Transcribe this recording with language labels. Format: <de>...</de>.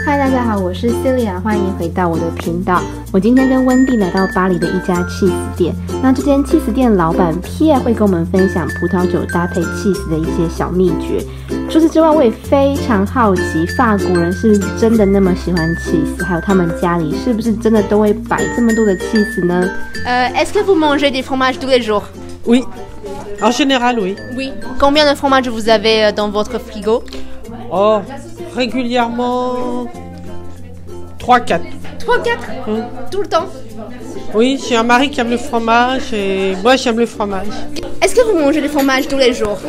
<zh>嗨，大家好，我是 Celia， 欢迎回到我的频道。我今天跟温蒂来到巴黎的一家 cheese 店，那这间 cheese 店老板 Pierre 会跟我们分享葡萄酒搭配 cheese 的一些小秘诀。除此之外，我也非常好奇法国人是不是真的那么喜欢 cheese， 还有他们家里是不是真的都会摆这么多的 cheese 呢？</zh> <fr>Est-ce que vous mangez des fromages tous les jours？ Oui， en général oui。 Oui， combien de fromages vous avez dans votre frigo？ Oh，régulièrement 3-4. 3-4 tout le temps? Oui, j'ai un mari qui aime le fromage et moi j'aime le fromage. Est-ce que vous mangez du fromage tous les jours?</fr>